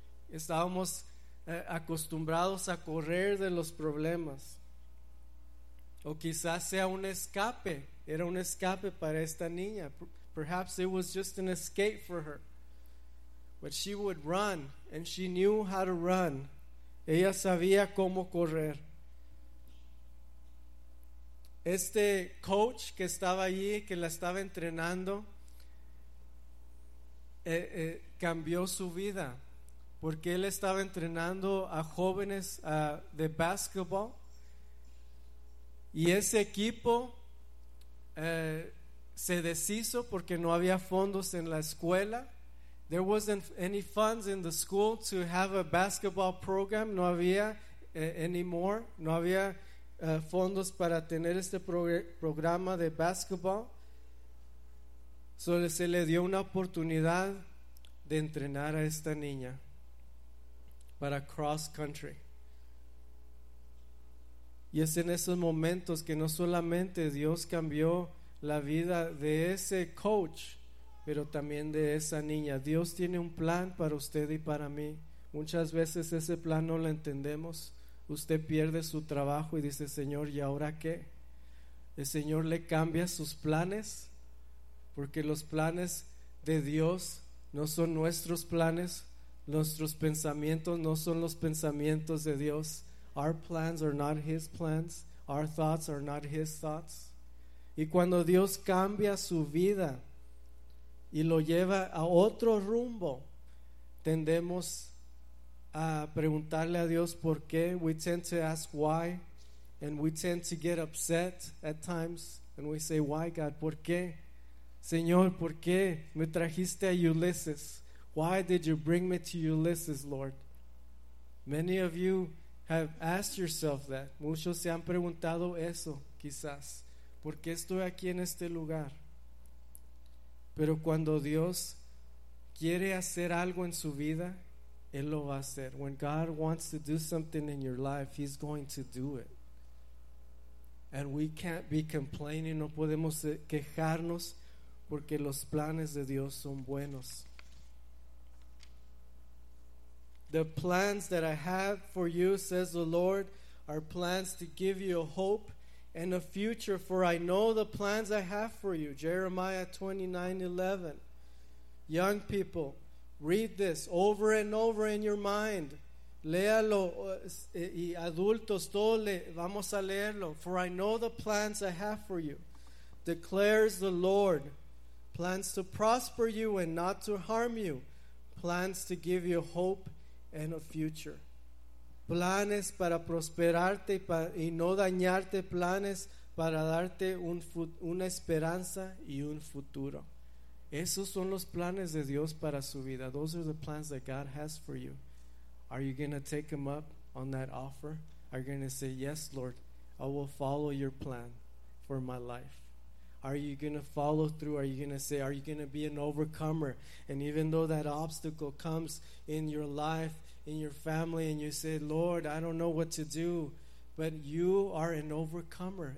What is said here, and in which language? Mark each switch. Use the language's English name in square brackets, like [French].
[Spanish] Estábamos acostumbrados a correr de los problemas. O quizás sea un escape. Era un escape para esta niña. [English] Perhaps it was just an escape for her. But she would run, and she knew how to run. [Spanish] Ella sabía cómo correr. Este coach que estaba allí, que la estaba entrenando, cambió su vida, porque él estaba entrenando a jóvenes de basketball, y ese equipo se deshizo porque no había fondos en la escuela. [English] There wasn't any funds in the school to have a basketball program. [Spanish] No había anymore. No había fondos para tener este programa de basketball. Solo se le dio una oportunidad de entrenar a esta niña para cross country. Y es en esos momentos que no solamente Dios cambió la vida de ese coach, pero también de esa niña. Dios tiene un plan para usted y para mí. Muchas veces ese plan no lo entendemos. Usted pierde su trabajo y dice, Señor, ¿y ahora qué? El Señor le cambia sus planes, porque los planes de Dios no son nuestros planes. Nuestros pensamientos no son los pensamientos de Dios. [English] Our plans are not his plans. Our thoughts are not his thoughts. [Spanish] Y cuando Dios cambia su vida y lo lleva a otro rumbo, tendemos a preguntarle a Dios por qué. [English] We tend to ask why, and we tend to get upset at times, and we say, why God, [Spanish] ¿por qué? Señor, ¿por qué me trajiste a Ulysses? [English] Why did you bring me to Ulysses, Lord? Many of you have asked yourself that. [Spanish] Muchos se han preguntado eso, quizás. ¿Por qué estoy aquí en este lugar? Pero cuando Dios quiere hacer algo en su vida, Él lo va a hacer. [English] When God wants to do something in your life, He's going to do it. And we can't be complaining, [Spanish] no podemos quejarnos, porque los planes de Dios son buenos. [English] The plans that I have for you, says the Lord, are plans to give you a hope and a future, for I know the plans I have for you. Jeremiah 29:11. Young people, read this over and over in your mind. [Spanish] Léalo, y adultos, todos le vamos a leerlo. [English] For I know the plans I have for you, declares the Lord. Plans to prosper you and not to harm you. Plans to give you hope and a future. [Spanish] Planes para prosperarte y no dañarte. Planes para darte una esperanza y un futuro. Esos son los planes de Dios para su vida. [English] Those are the plans that God has for you. Are you going to take him up on that offer? Are you going to say, yes, Lord, I will follow your plan for my life? Are you going to follow through? Are you going to say, are you going to be an overcomer? And even though that obstacle comes in your life, in your family, and you say, Lord, I don't know what to do, but you are an overcomer.